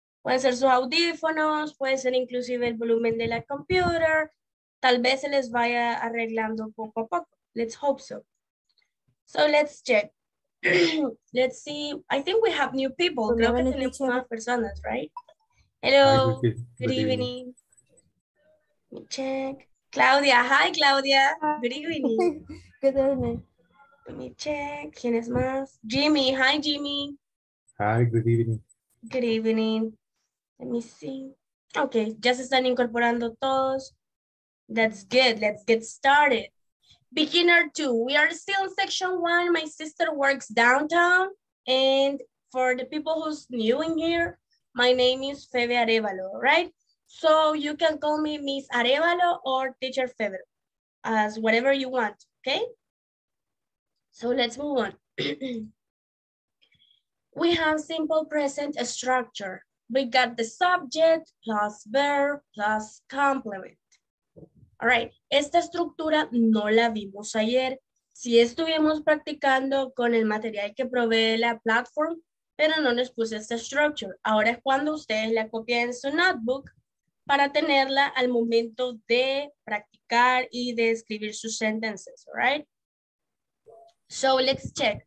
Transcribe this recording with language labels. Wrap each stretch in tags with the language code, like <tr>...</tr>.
<es>Pueden ser sus audífonos, puede ser inclusive el volumen de la computer. Tal vez se les vaya arreglando poco a poco.</es> <en>Let's hope so. So let's check. Let's see. I think we have new people.</en> <es>Creo que tenemos más personas,</es> <en>right? Hello. Good evening. Check. Claudia, hi Claudia, good evening. Good evening. Let me check,</en> <es>¿quién es más?</es> <en>Jimmy, hi Jimmy. Hi, good evening. Good evening. Let me see. Okay,</en> <es>ya se están incorporando todos.</es> <en>That's good, let's get started. Beginner two, we are still in section one. My sister works downtown. And for the people who's new in here, my name is Febe Arevalo, right? So you can call me Miss Arevalo or Teacher Febre, as whatever you want, okay? So let's move on. We have simple present structure. We got the subject plus verb plus complement. All right,</en> <es>esta estructura no la vimos ayer. Sí estuvimos practicando con el material que provee la platform, pero no les puse esta structure. Ahora es cuando ustedes la copien en su notebook para tenerla al momento de practicar y de escribir sus sentences, right?</es> <en>So let's check.</en>